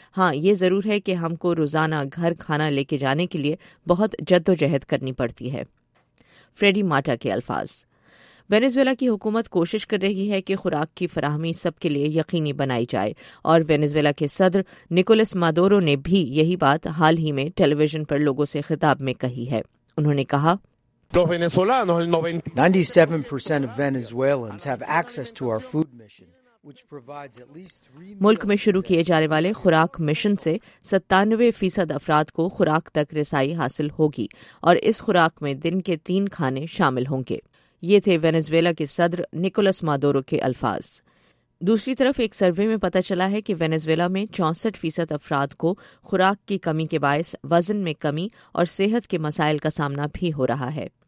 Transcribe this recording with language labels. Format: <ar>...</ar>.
<ur>ہاں یہ ضرور ہے کہ ہم کو روزانہ گھر کھانا لے کے جانے کے لیے بہت جد و جہد کرنی پڑتی ہے. فریڈی ماٹا کے الفاظ. وینزویلا کی حکومت کوشش کر رہی ہے کہ خوراک کی فراہمی سب کے لیے یقینی بنائی جائے, اور وینزویلا کے صدر نکولس مادورو نے بھی یہی بات حال ہی میں ٹیلی ویژن پر لوگوں سے خطاب میں کہی ہے. انہوں نے کہا,</ur> <en>97% of Venezuelans have access to our food mission, which provides at least 3 million...</en> <ur>ملک میں شروع کیے جانے والے خوراک مشن سے 97% افراد کو خوراک تک رسائی حاصل ہوگی اور اس خوراک میں دن کے 3 کھانے شامل ہوں گے. یہ تھے وینزویلا کے صدر نکولس مادورو کے الفاظ. دوسری طرف ایک سروے میں پتہ چلا ہے کہ وینزویلا میں 64% افراد کو خوراک کی کمی کے باعث وزن میں کمی اور صحت کے مسائل کا سامنا بھی ہو رہا ہے.</ur>